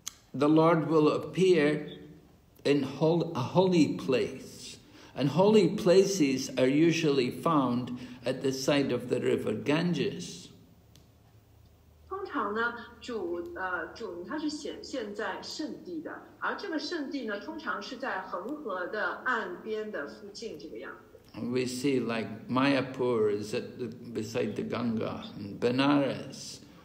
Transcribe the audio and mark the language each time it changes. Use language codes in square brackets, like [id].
[en] The Lord will appear in a holy place. And holy places are usually found at the side of the river Ganges. [zh] 通常呢，主他是显现在圣地的，而这个圣地呢，通常是在恒河的岸边的附近这个样子。 [en] We see like Mayapur is beside the Ganga, and Benares.